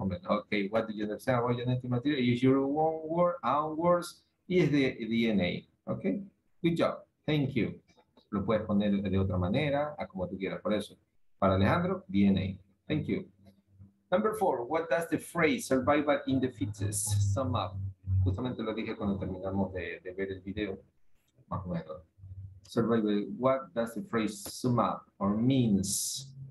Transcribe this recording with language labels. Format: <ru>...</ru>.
<en>Okay, what did you say about genetic material? Use your own word, own words, is the DNA. Okay, good job, thank you.</en> <es>Lo puedes poner de otra manera, a como tú quieras, por eso. Para Alejandro, DNA,</es> <en>thank you. Number four, what does the phrase survival in the fittest sum up?</en> <es>Justamente lo dije cuando terminamos de ver el video, más o menos.</es> <en>Survival, what does the phrase sum up or means?</en>